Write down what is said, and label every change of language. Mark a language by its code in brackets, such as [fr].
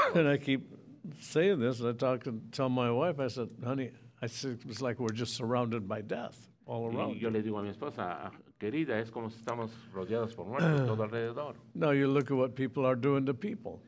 [en] And I keep saying this, and I talk and tell my wife, I said, honey, I said, it's like we're just surrounded by death all around. [es] Y yo le digo a mi esposa, querida, es como si estamos rodeados por muerte todo alrededor. [en] Now you look at what people are doing to people.